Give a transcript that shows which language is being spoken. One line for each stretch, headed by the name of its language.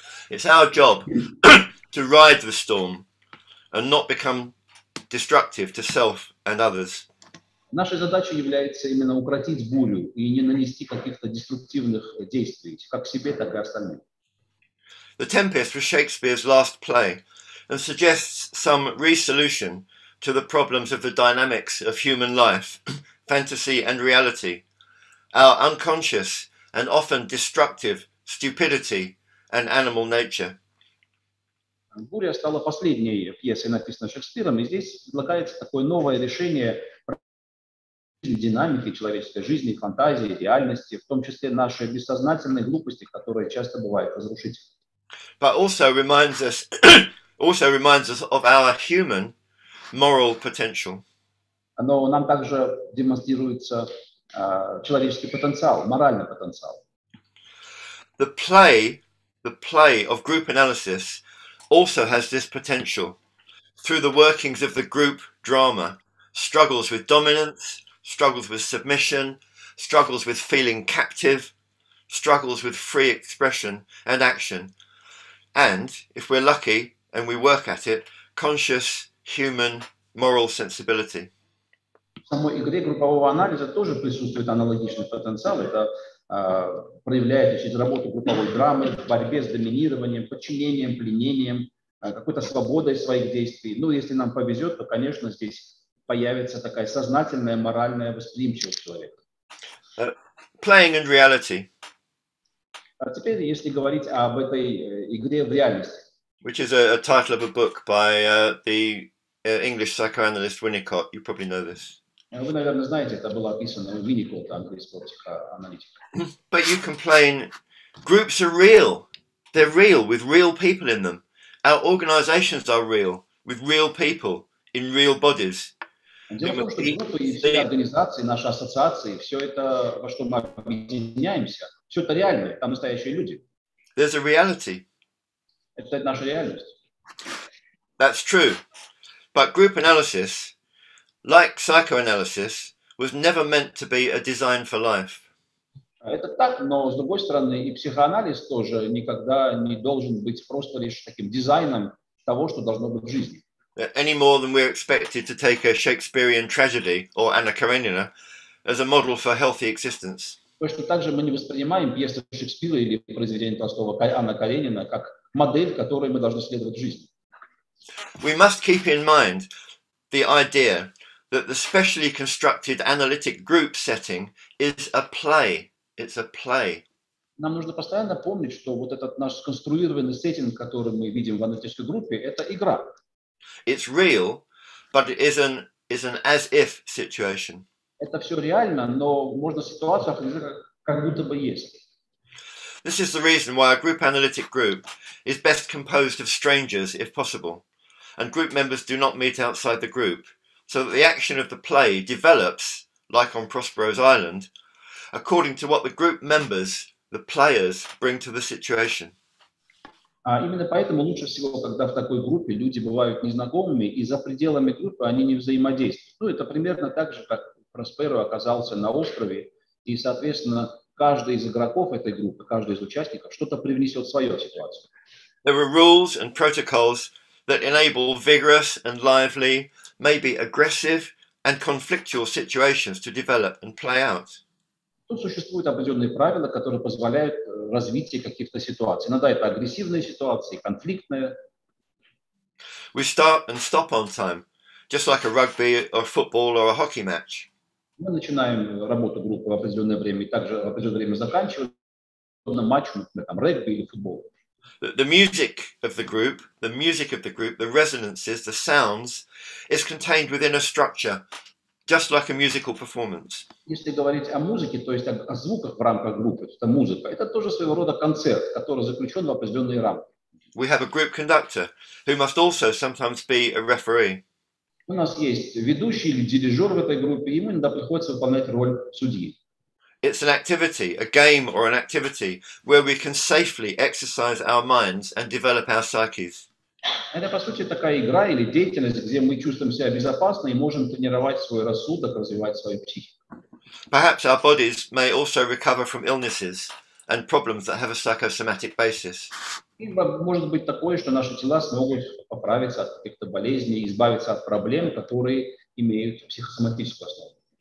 English: It's our job to ride the storm and not become destructive to self and others.
Russian: Наша задача является именно укротить бурю и не нанести каких-то деструктивных действий, как себе, так и остальным.
English: The Tempest was Shakespeare's last play and suggests some resolution to the problems of the dynamics of human life, fantasy and reality, our unconscious and often destructive stupidity and animal nature.
Russian: Буря стала последней пьесой, написанной Шекспиром, и здесь предлагается такое новое решение динамики человеческой жизни, фантазии, реальности, в том числе нашей бессознательной глупости, которая часто бывает разрушительной.
English: But also reminds us of our human moral potential.
Russian: Но нам также демонстрируется человеческий потенциал, моральный потенциал.
English: The play of group analysis also has this potential through the workings of the group drama, struggles with dominance, struggles with submission, struggles with feeling captive, struggles with free expression and action, and if we're lucky and we work at it, conscious human moral sensibility.
Russian: В самой игре группового анализа тоже присутствует аналогичный потенциал. Это проявляется через работу групповой драмы, в борьбе с доминированием, подчинением, пленением, какой-то свободой своих действий. Ну, если нам повезет, то, конечно, здесь появится такая сознательная моральная восприимчивость человека.
English: Playing and reality.
Russian: А теперь, если говорить об этой игре в реальности.
English: Which is a title of a book by the English psychoanalyst Winnicott. You probably know this.
Russian: Вы, наверное, знаете, это было описано в Winnicott, английского психоаналитика.
English: But you complain, groups are real. They're real, with real people in them. Our organizations are real, with real people, in real bodies.
Russian: Дело в том, что группы и организации, наши ассоциации, все это, во что мы объединяемся, все это реально, там настоящие люди.
English: There's a reality.
Russian: Это наша реальность.
English: That's true. But group analysis, like psychoanalysis, was never meant to be a design for life.
Russian: Это так, но с другой стороны, и психоанализ тоже никогда не должен быть просто лишь таким дизайном того, что должно быть в жизни.
English: Any more than we're expected to take a Shakespearean tragedy or Anna Karenina as a model for healthy existence.
Russian: Потому что также мы не воспринимаем пьесы Шекспира или произведения Толстого Анна Каренина как модель, которой мы должны следовать в жизни.
English: We must keep in mind the idea that the specially constructed analytic group setting is a play. It's a play.
Russian: Нам нужно постоянно помнить, что вот этот наш сконструированный сеттинг, который мы видим в аналитической группе, это игра.
English: It's real, but it is an as-if situation.
Russian: Это все реально, но можно ситуацию определить как будто бы есть.
English: This is the reason why a group analytic group is best composed of strangers, if possible, and group members do not meet outside the group, so that the action of the play develops, like on Prospero's Island, according to what the group members, the players, bring to the situation.
Russian: Именно поэтому лучше всего, когда в такой группе люди бывают незнакомыми, и за пределами группы они не взаимодействуют. Ну, это примерно так же, как Просперо оказался на острове, и, соответственно, каждый из игроков этой группы, каждый из участников что-то привнесет в свою ситуацию.
English: There are rules and protocols that enable vigorous and lively, maybe aggressive and conflictual situations to develop and play out.
Russian: Тут существуют определенные правила, которые позволяют развитию каких-то ситуаций. Иногда это агрессивные ситуации, конфликтные.
English: We start and stop on time, just like a rugby or football or a hockey match.
Russian: Мы начинаем работу группы в определенное время и также в определенное время заканчиваем на матч, например, там, регби или футбол.
English: The music of the group, the music of the group, the resonances, the sounds, is contained within a structure, just like a musical performance.
Russian: Если говорить о музыке, то есть о звуках в рамках группы, это музыка, это тоже своего рода концерт, который заключен в определенные рамки.
English: We have a group conductor, who must also sometimes be a referee.
Russian: У нас есть ведущий или дирижер в этой группе, ему иногда приходится выполнять роль судьи.
English: It's an activity, a game or an activity, where we can safely exercise our minds and develop our psyches.
Russian: Это, по сути, такая игра или деятельность, где мы чувствуем себя безопасно и можем тренировать свой рассудок, развивать свою психику.
English: Perhaps our bodies may also recover from illnesses and problems that have a psychosomatic basis.
Russian: Ибо может быть такое, что наши тела смогут поправиться от каких-то болезней, избавиться от проблем, которые имеют психосоматическую основу.